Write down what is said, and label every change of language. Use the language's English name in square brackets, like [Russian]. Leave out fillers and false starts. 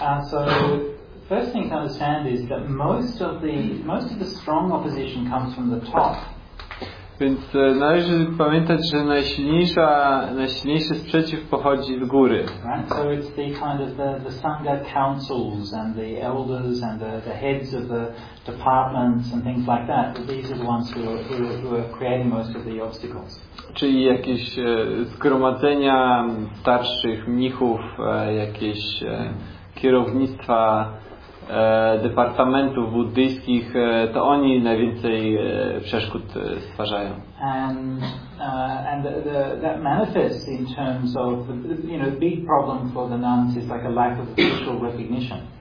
[English] So first thing to understand is that most of the strong opposition comes from the top. [Polish] Więc należy pamiętać, że najsilniejszy sprzeciw pochodzi z góry. [English] Right? So it's the kind of the Sangha councils and the elders and the heads of the departments and things like that. These are the ones who are creating most of the obstacles. [Polish] Czyli jakieś zgromadzenia starszych mnichów, jakieś kierownictwa departamentów buddyjskich, to oni najwięcej przeszkód stwarzają. [English] And that manifests in terms of big problem for the nuns is like a lack of official recognition.